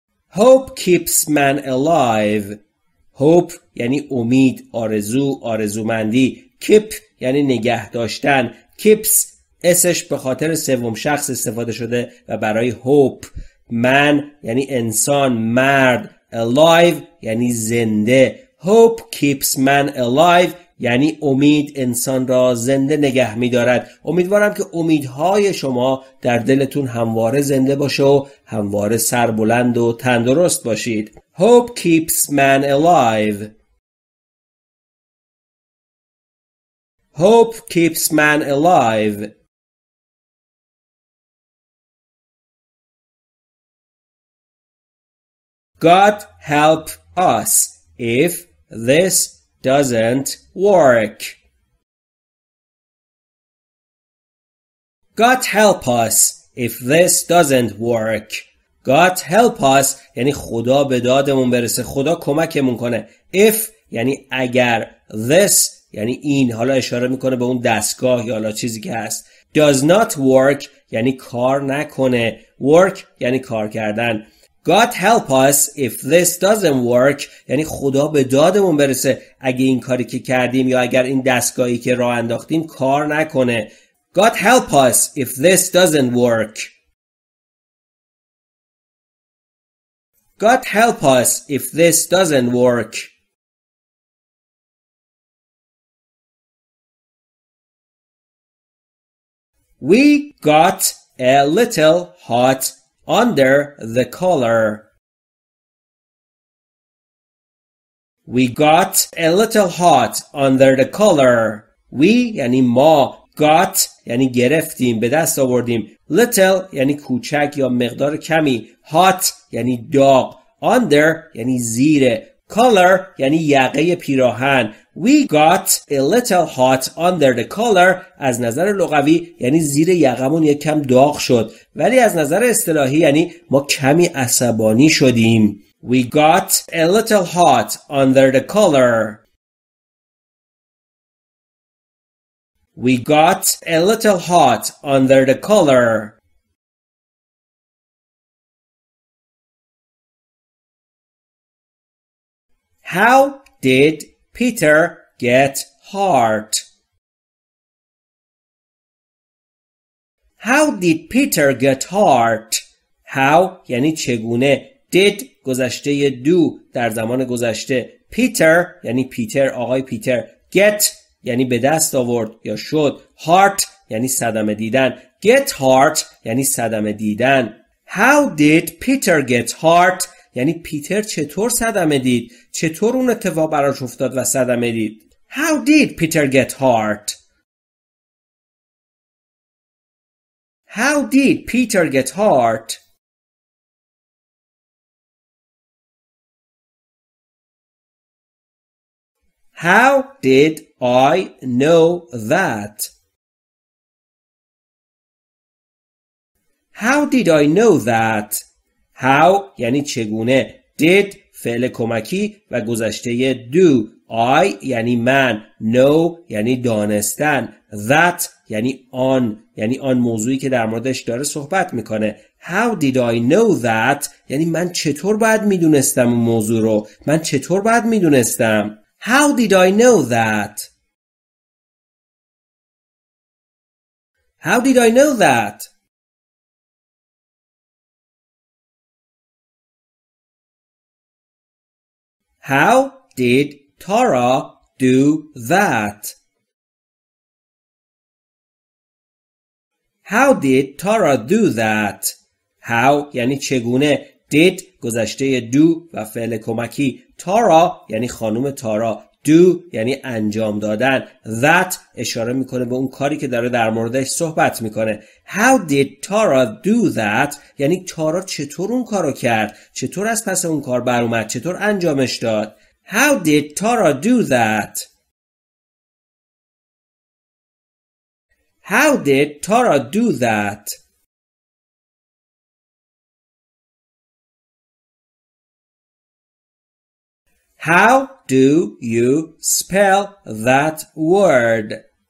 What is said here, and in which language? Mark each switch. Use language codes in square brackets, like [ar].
[en] Hope keeps man alive. [fa] Hope یعنی امید، آرزو، آرزومندی. Keep یعنی نگه داشتن. Keeps اسش به خاطر سوم شخص استفاده شده و برای hope. [en] Man [fa] یعنی انسان، مرد. [en] Alive [fa] یعنی زنده. [en] Hope keeps man alive [fa] یعنی امید انسان را زنده نگه می دارد. امیدوارم که امیدهای شما در دلتون همواره زنده باشه و همواره سربلند و تندرست باشید. [en] Hope keeps man alive. Hope keeps man alive. God help us if this doesn't work. God help us if this doesn't work. God help us [fa] یعنی خدا به دادمون برسه، خدا کمکمون کنه. If یعنی اگر، this یعنی این، حالا اشاره میکنه به اون دستگاه یا حالا چیزی که هست. [en] Does not work [fa] یعنی کار نکنه. Work یعنی کار کردن. [en] God help us if this doesn't work [fa] یعنی خدا به دادمون برسه اگه این کاری که کردیم یا اگر این دستگاهی که راه انداختیم کار نکنه. [en] God help us if this doesn't work. God help us if this doesn't work. We got a little hot under the collar. We got a little hot under the collar. [fa] We یعنی ما، got یعنی گرفتیم، به دست آوردیم. Little یعنی کوچک یا مقدار کمی. Hot یعنی داغ. Under یعنی زیر. Collar یعنی یقه پیراهن. [en] We got a little hot under the collar [fa] از نظر لغوی یعنی زیر یقمون یک کم داغ شد، ولی از نظر اصطلاحی یعنی ما کمی عصبانی شدیم. [en] We got a little hot under the collar. We got a little hot under the collar. How did Peter get hurt? How did Peter get hurt? [fa] How یعنی چگونه، did گذشته do در زمان گذشته، Peter یعنی پیتر، آقای پیتر، get یعنی به دست آورد یا شد، heart یعنی صدمه دیدن، [en] get hurt [fa] یعنی صدمه دیدن. [en] How did Peter get hurt [fa] یعنی پیتر چطور صدمه دید، چطور اون اتفاق براش افتاد و صدمه دید. [en] How did Peter get hurt؟ How did Peter get hurt؟ How did I know that؟ How did I know that؟ [fa] How یعنی چگونه، did فعل کمکی و گذشته do، I یعنی من، know یعنی دانستن، that یعنی آن، یعنی آن موضوعی که در موردش داره صحبت میکنه. [en] How did I know that [fa] یعنی من چطور باید میدونستم اون موضوع رو، من چطور باید میدونستم. [en] How did I know that؟ How did I know that؟ How did Tara do that? How did Tara do that? [fa] How یعنی چگونه، did گذشته do و فعل کمکی، Tara یعنی خانم تارا، do یعنی انجام دادن، that اشاره میکنه به اون کاری که داره در موردش صحبت میکنه. [en] How did Tara do that [fa] یعنی تارا چطور اون کارو کرد، چطور از پس اون کار بر اومد، چطور انجامش داد. [en] How did Tara do that؟ How did Tara do that؟ How do you spell that word؟